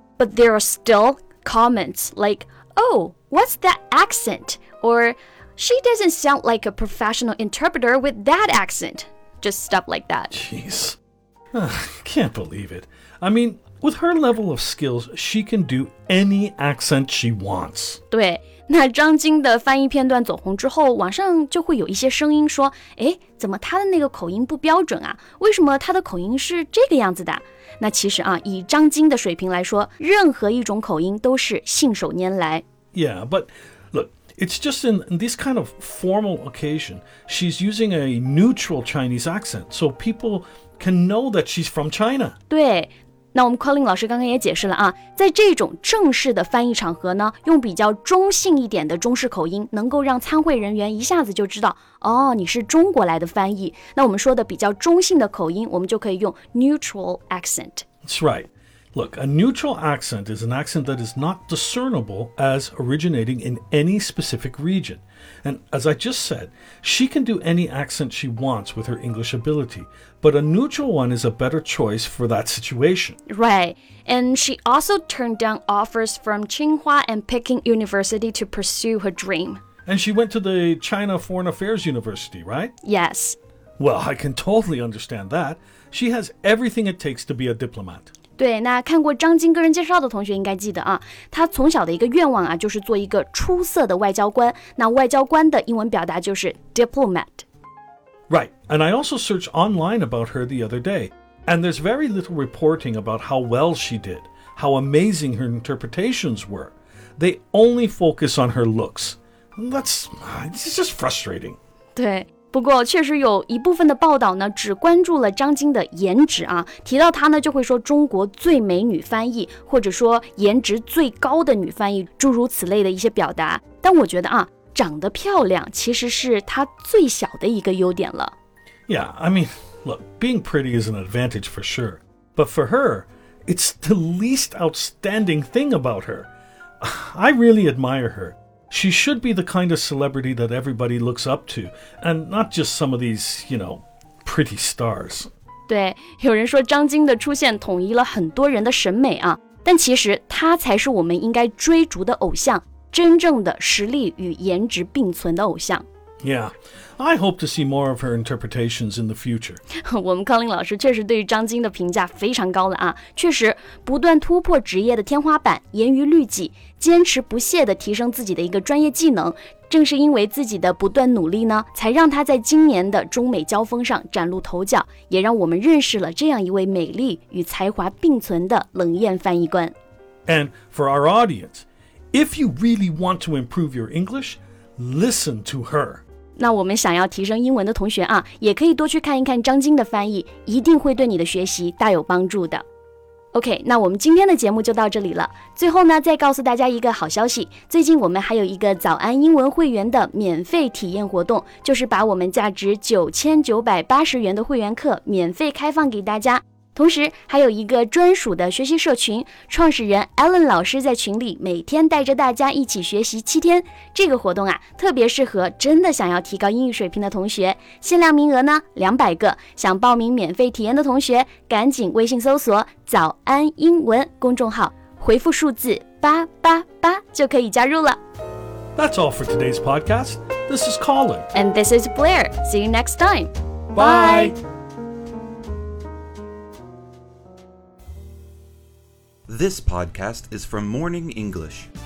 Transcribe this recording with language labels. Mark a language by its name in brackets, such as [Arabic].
[English] But there are still comments like, oh, what's that accent? Or, she doesn't sound like a professional interpreter with that accent. Just stuff like that. Jeez. I can't believe it. I mean, With her level of skills, she can do any accent she wants. [Chinese] 对，那张晶的翻译片段走红之后，网上就会有一些声音说，诶，怎么她的那个口音不标准啊？为什么她的口音是这个样子的？那其实啊，以张晶的水平来说，任何一种口音都是信手拈来。 [English] Yeah, but look, it's just in this kind of formal occasion, she's using a neutral Chinese accent, so people can know that she's from China. [Chinese] 对，那我们 Colin 老师刚刚也解释了啊，在这种正式的翻译场合呢，用比较中性一点的中式口音，能够让参会人员一下子就知道，哦，你是中国来的翻译。那我们说的比较中性的口音，我们就可以用 neutral accent. [English] That's right. Look, a neutral accent is an accent that is not discernible as originating in any specific region. And as I just said, she can do any accent she wants with her English ability, but a neutral one is a better choice for that situation. Right, and she also turned down offers from Tsinghua and Peking University to pursue her dream. And she went to the China Foreign Affairs University, right? Yes. Well, I can totally understand that. She has everything it takes to be a diplomat. [Chinese] 对，那看过张晶个人介绍的同学应该记得啊，他从小的一个愿望啊，就是做一个出色的外交官。那外交官的英文表达就是 diplomat. [English] Right, and I also searched online about her the other day, and there's very little reporting about how well she did, how amazing her interpretations were. They only focus on her looks. It's just frustrating. [Chinese] 对。不过确实有一部分的报道呢只关注了张晶的颜值啊，提到她呢就会说中国最美女翻译，或者说颜值最高的女翻译，诸如此类的一些表达。但我觉得啊，长得漂亮其实是她最小的一个优点了。 [English] Yeah, I mean, look, being pretty is an advantage for sure, but for her, it's the least outstanding thing about her. I really admire herShe should be the kind of celebrity that everybody looks up to, and not just some of these, you know, pretty stars. [Chinese] 对，有人说张晶的出现统一了很多人的审美啊，但其实她才是我们应该追逐的偶像，真正的实力与颜值并存的偶像。 [English] Yeah, I hope to see more of her interpretations in the future. [Chinese] 我们 Colin 老师确实对于张晶的评价非常高了啊，确实不断突破职业的天花板，严于律己，坚持不懈地提升自己的一个专业技能。正是因为自己的不断努力呢，才让她在今年的中美交锋上崭露头角，也让我们认识了这样一位美丽与才华并存的冷艳翻译官。 [English] And for our audience, if you really want to improve your English,Listen to her. [Chinese] 那我们想要提升英文的同学啊，也可以多去看一看张晶的翻译，一定会对你的学习大有帮助的。 OK, 那我们今天的节目就到这里了。最后呢，再告诉大家一个好消息，最近我们还有一个早安英文会员的免费体验活动，就是把我们价值9980元的会员课免费开放给大家。同时还有一个专属的学习社群，创始人 Alan 老师在群里每天带着大家一起学习7天。这个活动啊，特别适合真的想要提高英语水平的同学，限量名额呢200个。想报名免费体验的同学，赶紧微信搜索早安英文公众号，回复数字888就可以加入了。 [English] That's all for today's podcast. This is Colin. And this is Blair. See you next time. Bye. This podcast is from Morning English.